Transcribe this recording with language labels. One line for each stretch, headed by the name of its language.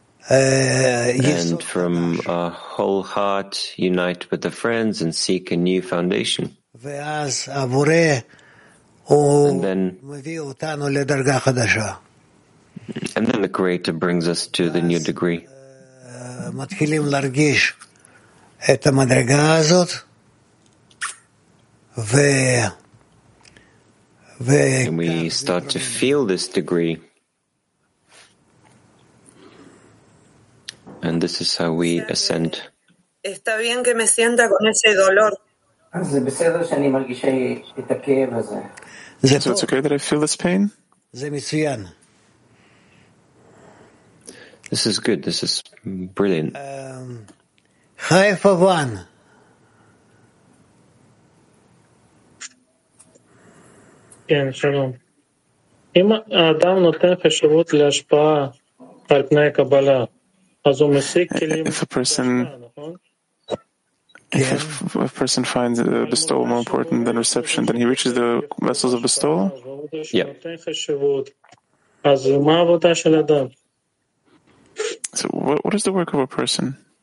English: And from a whole heart unite with the friends and seek a new foundation.
Hebrew: ואז הבורא הוא מביא אותנו לדרגה חדשה.
English: And then the creator brings us to the new degree.
Hebrew: מתחילים להרגיש את המדרגה הזאת ו
English: And we start to feel this degree. And this is how we ascend.
Spanish: Está bien que me sienta con ese dolor.
English: So it's okay that I feel this pain? This is good, this is brilliant. Haifa 1.
Hebrew: כן, שלום. אם האדם נותן חשיבות להשפעה על פני הקבלה, אז הוא משיג כלים...
English: If a person finds the bestowal more important than reception, then he reaches the vessels of bestowal?
Hebrew: Yeah. אז מה העבודה של האדם?
English: So what is the work of a person?